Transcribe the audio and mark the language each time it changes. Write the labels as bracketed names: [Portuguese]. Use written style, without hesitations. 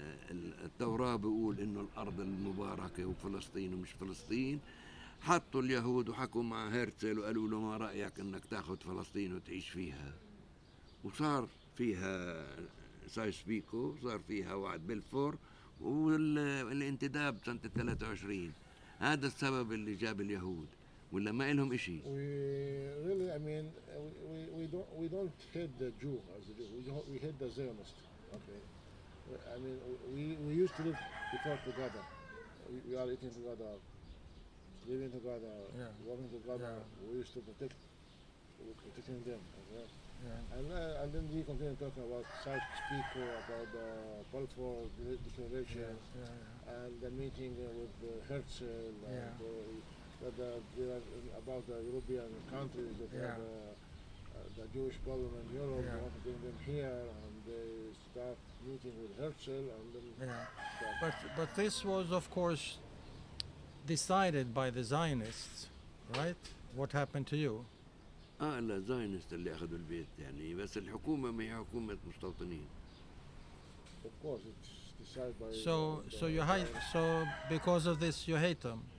[Arabic] التوراة بيقول إنه الأرض المباركة وفلسطين ومش فلسطين حطوا اليهود وحكوا مع هرتزل وقالوا له ما رأيك إنك تأخذ فلسطين وتعيش فيها وصار فيها سايسبيكو صار فيها وعد بلفور والانتداب سنة 23 هذا السبب اللي جاب اليهود ولا ما لهم إشي. [English] We really, I mean, we don't hit the Jew as the Jew. We hit the Zionist. Okay. I mean, we used to live before together. We are eating together, living together, yeah. Working together. Yeah. We used to protecting them. Okay. Yeah. And then we continue talking about such people, about the Balfour Declaration, yeah, yeah, yeah. And the meeting with Herzl, yeah. And about the European countries that yeah. Have the Jewish problem in Europe, yeah. Want to bring them here, and they start meeting with Herzl, and then yeah. But this was, of course, decided by the Zionists, right? What happened to you? [Arabic] لا زاينست اللي اخذوا البيت يعني، بس الحكومه ما هي حكومه مستوطنين. [English] Of course it's decided by so you hate, so because of this you hate them.